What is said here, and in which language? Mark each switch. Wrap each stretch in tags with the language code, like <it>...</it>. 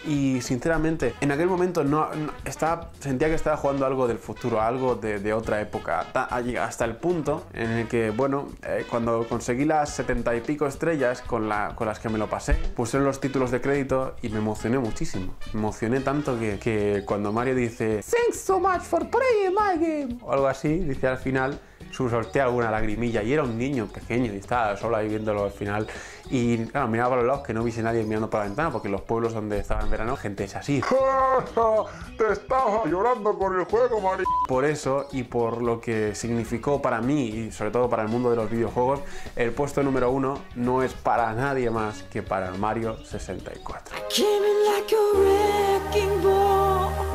<es>Y sinceramente, en aquel momento sentía que estaba jugando algo del futuro, algo de otra época, hasta el punto en el que, bueno, cuando conseguí las 70 y pico estrellas con las que me lo pasé, puse los títulos de crédito y me emocioné muchísimo. Me emocioné tanto que cuando Mario dice</es> <en>"Thanks so much for playing my game"</en> <es>o algo así, dice al final, sortea alguna lagrimilla, y era un niño pequeño y estaba solo ahí viéndolo al final, y claro, miraba para los lados que no viese nadie mirando para la ventana, porque los pueblos donde estaba en verano gente es así. Te estaba llorando por el juego, Mario. Por eso y por lo que significó para mí y sobre todo para el mundo de los videojuegos, el puesto número 1 no es para nadie más que para Mario 64.</es> <en>I came in like a wrecking ball.</en>